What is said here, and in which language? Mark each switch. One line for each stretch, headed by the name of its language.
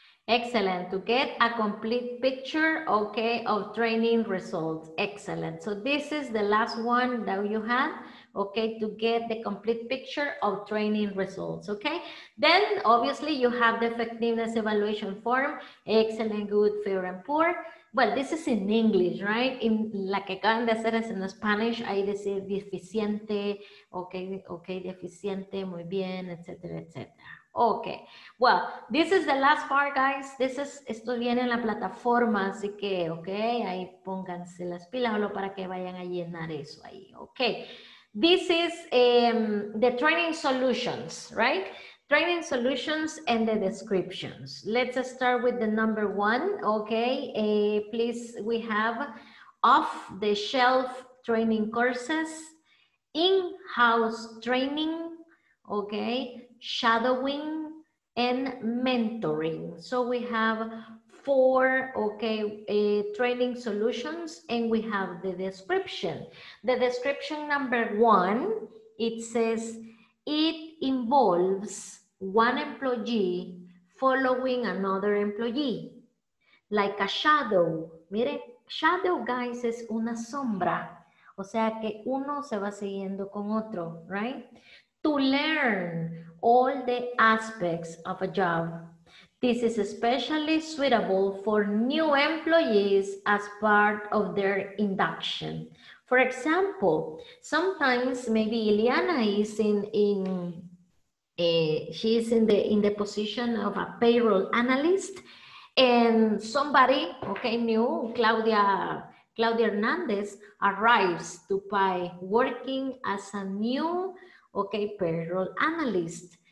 English: Excellent, to get a complete picture, okay, of training results. Excellent, so this is the last one that you had, okay, to get the complete picture of training results, okay? Then obviously you have the effectiveness evaluation form, excellent, good, fair and poor. Well, this is in English, right?
Spanish: In la que acaban de hacer es en Spanish, ahí dice deficiente, okay, deficiente, muy bien, etcétera, etcétera.
English: Okay, well, this is the last part, guys. This is,
Spanish: esto viene en la plataforma, así que, okay, ahí pónganse las pilas, solo para que vayan a llenar eso ahí, okay.
English: This is the training solutions, right? Training solutions and the descriptions. Let's start with the number one, okay? Please, we have off-the-shelf training courses, in-house training, okay? Shadowing and mentoring. So we have four, okay, training solutions, and we have the description. The description number one, it says, it involves one employee following another employee, like a shadow.
Spanish: Mire, shadow, guys, es una sombra. O sea que uno se va siguiendo con otro, right?
English: To learn all the aspects of a job. This is especially suitable for new employees as part of their induction. For example, sometimes maybe Ileana is in the position of a payroll analyst, and somebody, okay, new, Claudia Hernandez, arrives to PAE working as a new, okay, payroll analyst.